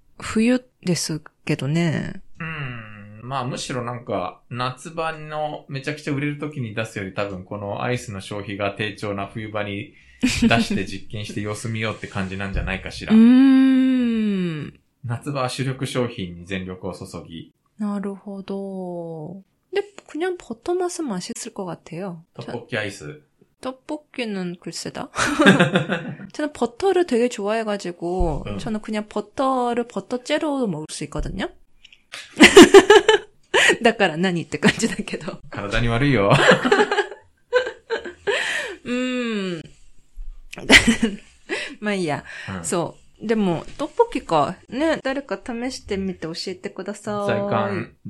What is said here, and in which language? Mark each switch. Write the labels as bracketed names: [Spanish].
[Japanese] 冬ですけどね。うん、まあむしろなんか夏場のめちゃくちゃ売れる時に出すより多分このアイスの消費が低調な冬場に出して実験して様子見ようって感じなんじゃないかしら。うん。夏場は主力商品に全力を注ぎ。なるほど。で、 [Korean] 그냥 버터 맛은 맛있을 것 같아요. 떡볶이 아이스. 떡볶이는 글쎄다. 저는 버터를 되게 좋아해가지고 저는 그냥 버터를 버터째로 먹을 수 있거든요. [Japanese] だから何って感じだけど。体に悪いよ。まあいいや、うん。そう。でも、トッポキか。ね、誰か試してみて教えてください。